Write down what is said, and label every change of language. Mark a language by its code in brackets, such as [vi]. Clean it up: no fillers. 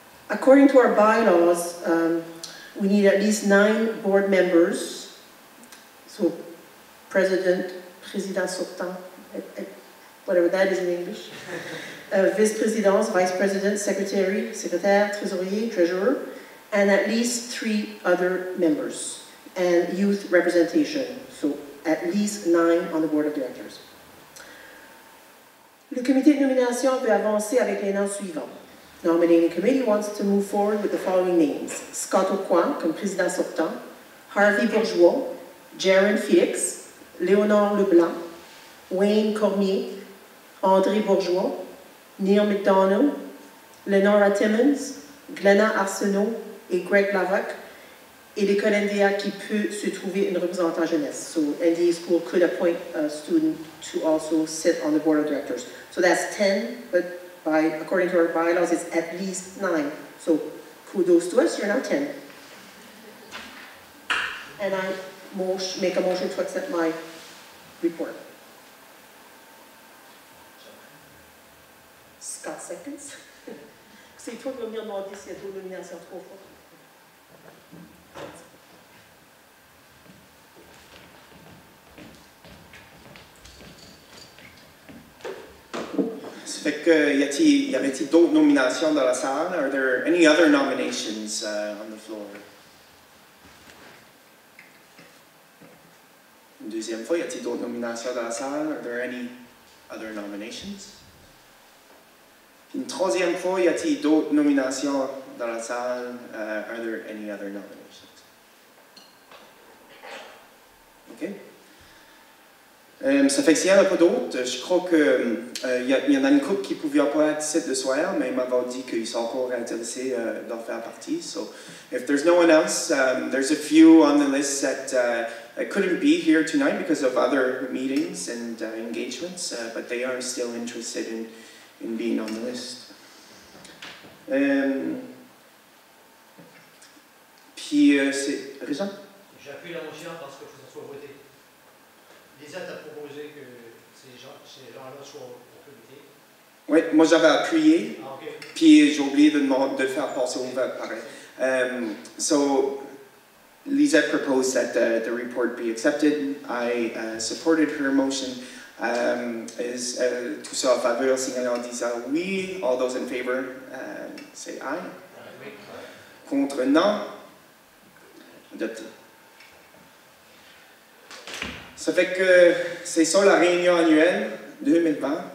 [en] According to our bylaws, we need at least 9 board members, so president, président sortant, whatever that is in English, vice-presidents, vice-president, secretary, secretaire, trésorier, treasurer, and at least 3 other members, and youth representation, so at least 9 on the board of directors. [fr] Le comité de nomination veut avancer avec les noms suivants. [en] Nominating committee wants to move forward with the following names. [fr] Scott O'Quinn comme président sortant, Harvey Bourgeois, Jaron Felix, Léonore Leblanc, Wayne Cormier, André Bourgeois, Neil McDonald, Lenora Timmons, Glenna Arsenault et Greg Larocque, et l'école NDA qui peut se trouver une représentante jeunesse. [en] So NDA school could appoint a student to also sit on the board of directors. So that's 10, but by according to our bylaws, it's at least 9. So kudos to us, you're now 10. And I make a motion to accept my report. Scott seconds. [fr] C'est toi qui vas venir demander s'il y a trop de nomination trop fort. Ça fait que y avait-il d'autres nominations dans la salle? [en] Are there any other nominations on the floor? [fr] Une deuxième fois, y a-t-il d'autres nominations dans la salle? [en] Are there any other nominations? [fr] Puis une troisième fois, y a-t-il d'autres nominations dans la salle? [en] Are there any other nominations? [fr] OK. Ça fait que s'il n'y en a pas d'autres, je crois qu'il y en a une couple qui ne pouvait pas être ici ce soir, mais ils m'avaient dit qu'ils sont encore intéressés d'en faire partie. [en] So, if there's no one else, there's a few on the list that couldn't be here tonight because of other meetings and engagements, but they are still interested in being on the list. [fr] Puis, c'est... Raison? J'appuie la motion parce que ça soit voté. Lisette a proposé que ces gens-là soient au comité. Oui, moi j'avais appuyé, puis j'ai oublié de faire passer au vote, pareil. [en] So, Lisette proposed that the report be accepted. I supported her motion. [fr] Tout ça en faveur, signalé en disant oui. [en] All those in favor, say aye. [fr] Contre, non. Adopté. Ça fait que c'est ça la réunion annuelle 2020.